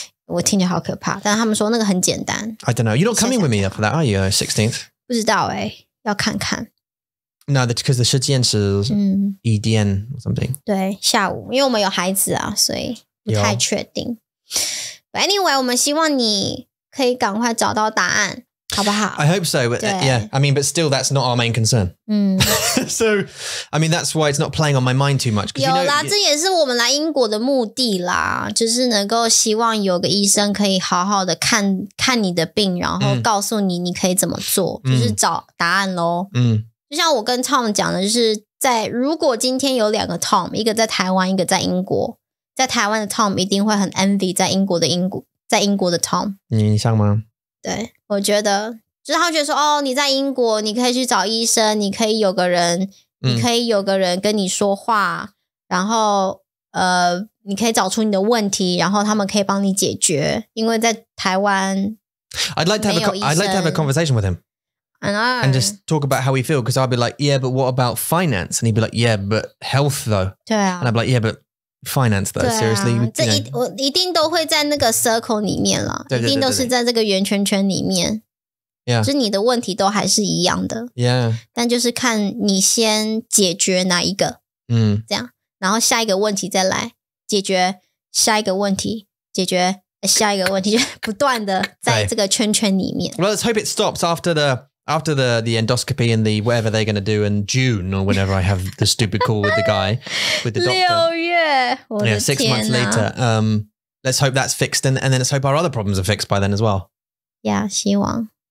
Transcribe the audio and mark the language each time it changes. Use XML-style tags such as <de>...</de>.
<zh>我听着好可怕，但他们说那个很简单。</zh> <en>I don't know. You don't coming with me for that, are you? 16th?</en> <zh>不知道欸，要看看。</zh> <en>No, that's because the 时间是 EDN or something.</en> <zh>对，下午，因为我们有孩子啊，所以不太确定。 But anyway, 我们希望你可以赶快找到答案。好不好?</zh> <en>I hope so, but yeah, I mean, but still, that's not our main concern. so, I mean, that's why it's not playing on my mind too much.</en> <zh>有啦，这也是我们来英国的目的啦，就是能够希望有个医生可以好好的看看你的病，然后告诉你你可以怎么做，就是找答案咯。就像我跟 Tom 讲的，就是在如果今天有两个 Tom， 一个在台湾，一个在英国，在台湾的 Tom 一定会很 envy 在英国的 Tom。你像吗？对。我觉得就是他觉得说哦，你在英国，你可以去找医生，你可以有个人，你可以有个人跟你说话，然后你可以找出你的问题，然后他们可以帮你解决。因为在台湾</zh> <en>I'd like to have a conversation with him. I know. And just talk about how we feel, because I'd be like, yeah, but what about finance? And he'd be like, yeah, but health though.</en> <zh>对啊。</zh> <en>And I'd be like, yeah, but finance though,</en> <zh>对啊,</zh> <en>seriously.</en> <zh>这一, you know. 我一定都会在那个 circle 里面啦。对对对对。一定都是在这个圆圈圈里面。</zh> <en>Yeah.</en> <zh>就你的问题都还是一样的。</zh> <en>Yeah.</en> <zh>但就是看你先解决哪一个。嗯。这样。然后下一个问题再来。解决下一个问题。解决下一个问题。就不断的在这个圈圈里面。</zh> <en>Well, let's hope it stops after the endoscopy and the whatever they're going to do in June or whenever I have the stupid call with the guy, with the doctor.</en> <zh>六月, 我的天啊。</zh> <en>Yeah, 6 months later. Let's hope that's fixed and then let's hope our other problems are fixed by then as well.</en> <zh>Yeah, 希望。</zh>